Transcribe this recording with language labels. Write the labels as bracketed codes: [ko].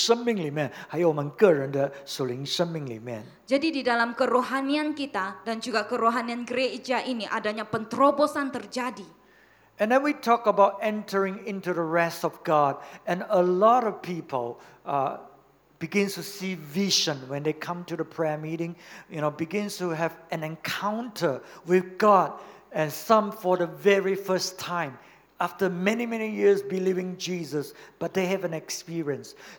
[zh] 所以切身呢有一个突破呢，临到啊这间教会的属灵的生命里面，还有我们个人的属灵生命里面。 [ms] Jadi di dalam kerohanian kita dan juga kerohanian gereja ini adanya penterobosan terjadi. [en] And then we talk about entering into the rest of God, and a lot of people begins to see vision when they come to the prayer meeting, you know, begins to have an encounter with God, and some for the very first time after many, many years believing Jesus, but they have an experience.